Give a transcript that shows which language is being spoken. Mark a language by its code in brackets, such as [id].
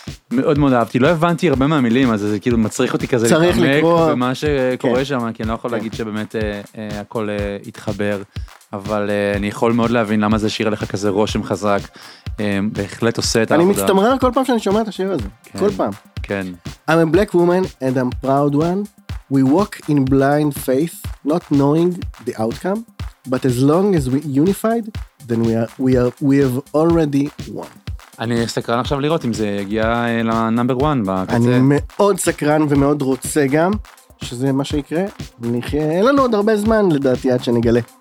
[he] מאוד מאוד אהבתי, לא הבנתי הרבה מהמילים, אז זה כאילו מצריך אותי כזה להתעמק במה שקורה שם, כי אני לא יכול להגיד שבאמת הכל התחבר, אבל אני יכול מאוד להבין למה זה שיר עליך כזה רושם חזק, בהחלט עושה את העבודה. אני מצטמרר כל פעם שאני שומע את השיר הזה, כל פעם. כן. [en] I'm a black woman and I'm proud one. We walk in blind faith, not knowing the outcome, but as long as we unified, then we have already won. [he] אני סקרן עכשיו לראות אם זה יגיע לנאמבר 1 בקצה. אני מאוד סקרן ומאוד רוצה גם שזה מה שיקרה. נחיה, אין לנו עוד הרבה זמן לדעתי עד שנגלה.